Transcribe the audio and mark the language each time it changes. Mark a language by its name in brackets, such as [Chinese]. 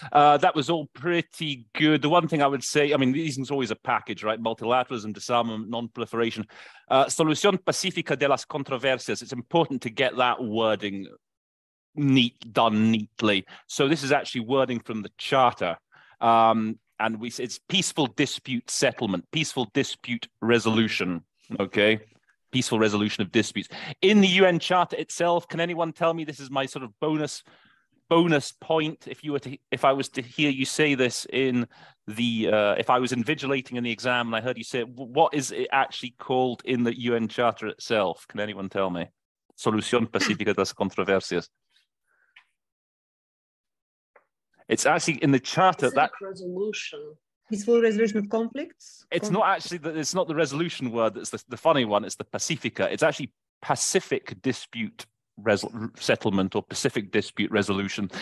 [English] That was all pretty good. The one thing I would say, I mean, these things are always a package, right? Multilateralism, disarmament, non-proliferation. [Spanish] Solución pacífica de las controversias. [English] It's important to get that wording neatly. So this is actually wording from the charter. It's peaceful dispute settlement, peaceful dispute resolution, okay? Peaceful resolution of disputes. In the UN charter itself, can anyone tell me, this is my sort of bonus point, if I was invigilating in the exam and I heard you say it, what is it actually called in the UN Charter itself? Can anyone tell me? [Spanish] Solución Pacífica de las Controversias. [English] It's actually in the Charter. Is it that resolution? Peaceful resolution of conflicts? It's not the resolution word that's the funny one, it's the Pacifica. It's actually Pacific dispute settlement or Pacific dispute resolution.